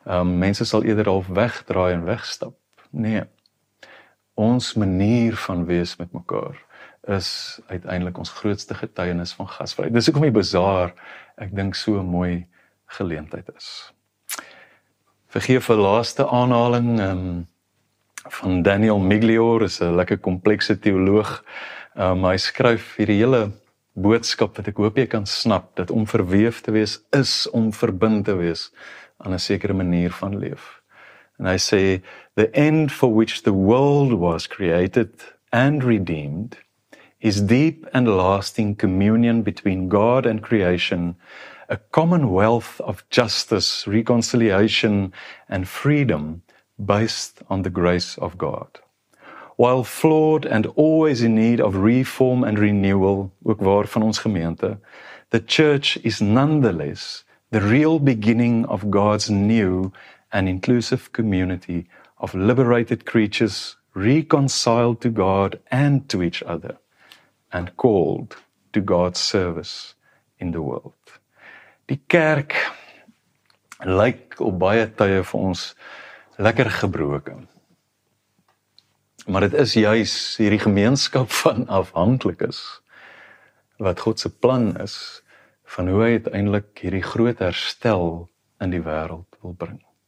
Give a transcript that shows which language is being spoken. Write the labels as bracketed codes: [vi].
[af] Mense sal eerder half wegdraai en wegstap. Nee. Ons manier van wees met mekaar is uiteindelik ons grootste getuienis van gasvryheid. Dis hoekom die bazaar, ek dink, so 'n mooi geleentheid is. Vergeef 'n laaste aanhaling van Daniel Miglior, is 'n lekker komplekse teoloog. Hy skryf hierdie hele boodskap wat ek hoop jy kan snap, dat om verweef te wees is om verbind te wees aan 'n sekere manier van leef. [en] And I say, the end for which the world was created and redeemed is deep and lasting communion between God and creation, a commonwealth of justice, reconciliation, and freedom based on the grace of God. While flawed and always in need of reform and renewal, [af] ook waar van ons gemeente, [en] the church is nonetheless the real beginning of God's new an inclusive community of liberated creatures reconciled to God and to each other and called to God's service in the world. [af] Die kerk lyk op baie tye vir ons lekker gebroken. Maar dit is juis hierdie gemeenskap van afhanklikes wat God se plan is van hoe hy uiteindelik hierdie groot herstel in die wêreld wil bring.